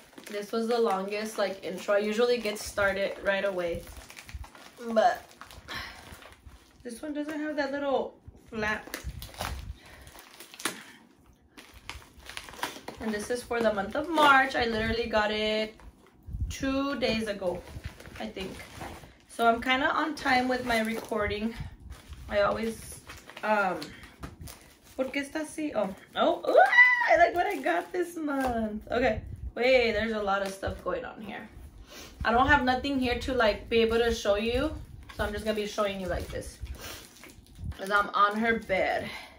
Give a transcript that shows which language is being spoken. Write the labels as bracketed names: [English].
[English] This was the longest like intro. I usually get started right away, but this one doesn't have that little flap. And this is for the month of March. I literally got it 2 days ago, I think. So I'm kind of on time with my recording. I always, [Spanish] ¿por qué está así? [English] I like what I got this month. Okay, wait, there's a lot of stuff going on here. I don't have nothing here to like be able to show you. So I'm just gonna be showing you like this. Cause I'm on her bed.